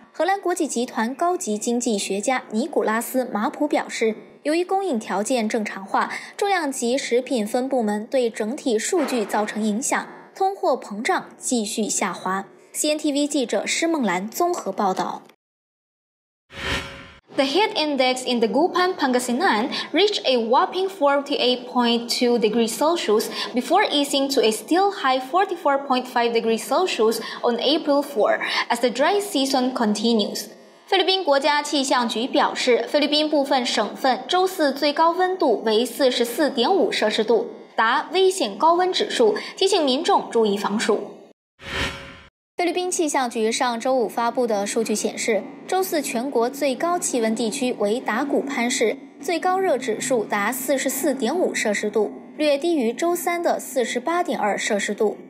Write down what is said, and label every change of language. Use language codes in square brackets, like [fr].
[zh] 荷兰国际集团高级经济学家尼古拉斯·马普表示，由于供应条件正常化，重量级食品分部门对整体数据造成影响，通货膨胀继续下滑。CNTV 记者施梦兰综合报道。 [en] The heat index in the Gupan, Pangasinan reached a whopping 48.2 degrees Celsius before easing to a still high 44.5 degrees Celsius on April 4 as the dry season continues. [zh] 菲律宾国家气象局表示，菲律宾部分省份周四最高温度为 44.5 摄氏度，达危险高温指数，提醒民众注意防暑。菲律宾气象局上周五发布的数据显示，周四全国最高气温地区为达古潘市，最高热指数达 44.5 摄氏度，略低于周三的 48.2 摄氏度。